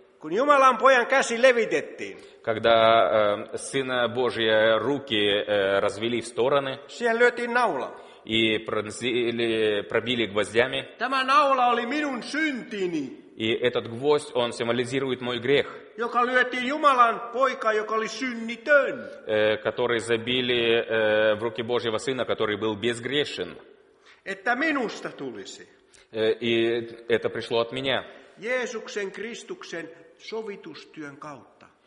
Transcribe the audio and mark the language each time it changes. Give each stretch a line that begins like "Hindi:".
Finnish: Kun Jumalan pojan käsi levitettiin.
Russian: Когда Сына Божия руки развели в стороны.
Finnish: Siihen lyötiin naula.
Russian: И пробили гвоздями.
Finnish: Tämä naula oli minun syntini.
Russian: И этот гвоздь, он символизирует мой грех.
Finnish: Joka lyötiin Jumalan poikaa, joka oli synnitön.
Russian: Который забили в руки Божьего Сына, который был безгрешен.
Finnish: Että minusta tulisi.
Russian: И это пришло от меня.
Finnish: Jeesuksen Kristuksen sovitustyön kautta.